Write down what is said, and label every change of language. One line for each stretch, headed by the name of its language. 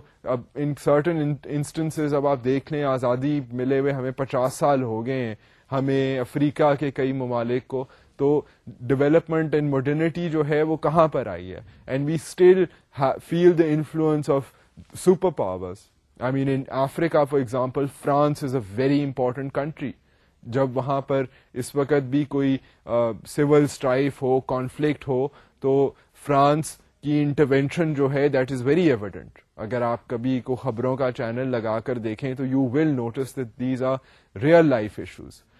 Urdu: تو اب in certain instances اب آپ دیکھ لیں, آزادی ملے ہوئے ہمیں 50 سال ہو گئے ہیں ہمیں افریقہ کے کئی ممالک کو, تو ڈیولپمنٹ اینڈ ماڈرنیٹی جو ہے وہ کہاں پر آئی ہے.
English: And we still feel the influence of super powers. I mean in Africa for example France is a very important country.
Urdu: جب وہاں پر اس وقت بھی کوئی سول اسٹرائف ہو کانفلکٹ ہو تو فرانس کی انٹروینشن جو ہے
English: That is very evident.
Urdu: اگر آپ کبھی کو خبروں کا چینل لگا کر دیکھیں تو
English: You will notice that these are real life issues.